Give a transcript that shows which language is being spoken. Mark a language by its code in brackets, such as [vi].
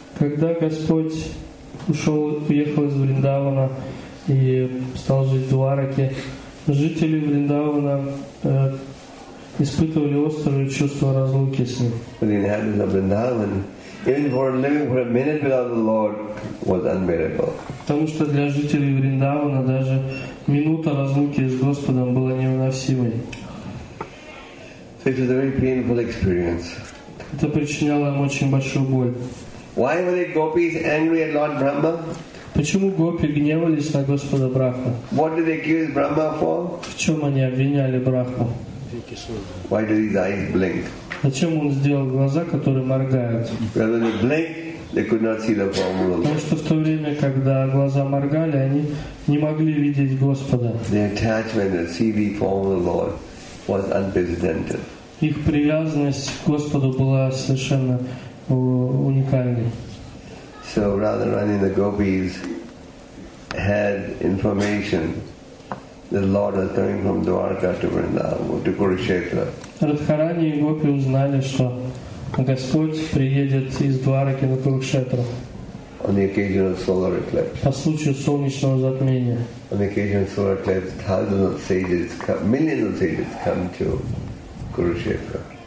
[ru] Когда Господь ушел, уехал из Вриндавана и стал жить в Двараке, жители Вриндавана испытывали острое чувство разлуки с ним. [en] But the inhabitants of Vrindavan, even for living for a minute without the Lord, was unbearable. [ru] Потому что для жителей Вриндавана даже минута разлуки с Господом была невыносимой. [en] So it was a very painful experience. [ru] Это причиняло им очень большую боль. [en] Why were the gopis angry at Lord Brahma? [ru] Почему гопи гневались на Господа Брахма? [en] What did they accuse Brahma for? [ru] В чем они обвиняли Брахму? [en] Why did his eyes blink? [ru] Зачем он сделал глаза, которые моргают? [en] Because they blink, they could not see the form of the Lord. [ru] Потому что в то время, когда глаза моргали, они не могли видеть Господа. [en] The attachment to see the form of the Lord was unprecedented. [ru] Их привязанность к Господу была совершенно уникальный. [en] So Radharani and the gopis had information that the Lord was coming from Dwarka to Vrindavan, to Kurukshetra. [ru] Радхарани и гопи узнали, что Господь приедет из Двараки на Курукшетру. [en] On the occasion of solar eclipse. [ru] По случаю солнечного затмения. [en] On the occasion of solar eclipse, thousands of sages come, millions of sages come to Kurukshetra.